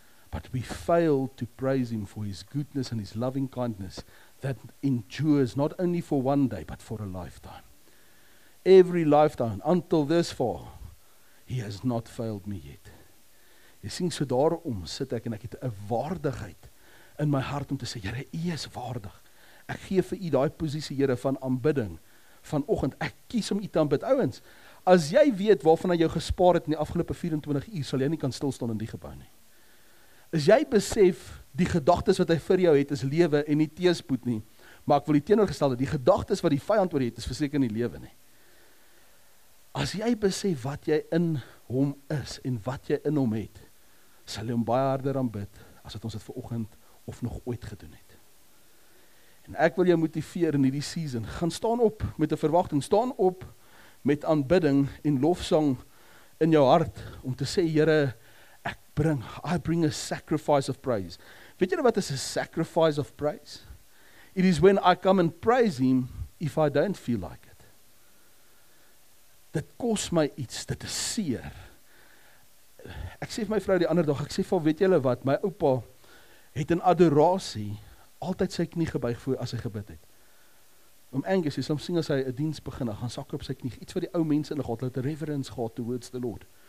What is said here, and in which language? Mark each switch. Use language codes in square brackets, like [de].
[en] But we fail to praise Him for His goodness and His loving kindness that endures not only for one day, but for a lifetime. Every lifetime, until this far, He has not failed me yet. [af] Jy sien, so daarom sit ek en ek het 'n waardigheid in my hart om te sê, Here, U is waardig. Ek gee vir U daai posisie, Here, van aanbidding. Vanoggend, ek kies om U te aanbid. Ouens, as jy weet waarvan hy jou gespaar het in die afgelope 24 uur, sal jy nie kan stilstaan in die gebou nie. As jy besef, die gedagtes wat hy vir jou het, is lewe en nie teëspoed nie, maar ek wil die teenoorgestelde, die gedagtes wat die vyand oor jou het, is verseker nie lewe nie. As jy besef wat jy in hom is, en wat jy in hom het, sal jy hom baie harder aanbid, as wat ons het vanoggend of nog ooit gedoen het. En ek wil jou motiveer in hierdie season. Gaan staan op met 'n verwagting. Staan op met aanbidding en lofsang in jou hart. Om te sê, Here, [en] I bring a sacrifice of praise. [af] Weet julle wat is [en] a sacrifice of praise? It is when I come and praise Him if I don't feel like it. [af] Dit kos my iets, dit is seer. Ek sê vir my vrou die ander dag, ek sê vir, weet julle wat, my oupa het in adorasie altyd sy knie gebuig voor as hy gebid het. Om Angus, hy soms sien as hy 'n diens begin, hy gaan sakker op sy knie, iets wat die ou mense in God, hulle het reverence gehad [en] towards the Lord.